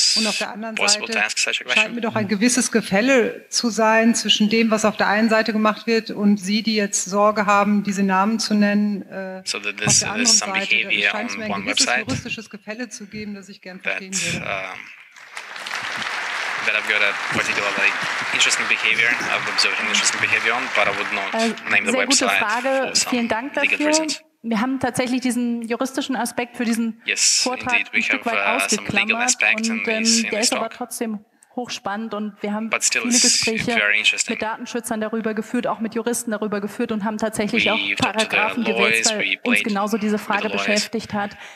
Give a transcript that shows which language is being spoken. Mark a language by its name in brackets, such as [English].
[German] Und auf der anderen Seite scheint mir doch ein gewisses Gefälle zu sein zwischen dem, was auf der einen Seite gemacht wird und Sie, die jetzt Sorge haben, diese Namen zu nennen, auf der anderen Seite. Es scheint mir ein gewisses juristisches Gefälle zu geben, das ich gerne verstehen würde. [English] That I've got a particular interesting behavior. I've observed an interesting behavior on, but I would not name the website. [German] Sehr gute Frage. Vielen Dank dafür. Wir haben tatsächlich diesen juristischen Aspekt für diesen Vortrag ein Stück weit ausgeklammert, und der ist aber trotzdem hochspannend, und wir haben viele Gespräche mit Datenschützern darüber geführt, auch mit Juristen darüber geführt, und haben tatsächlich auch Paragraphen gewählt, weil uns genauso diese Frage beschäftigt hat.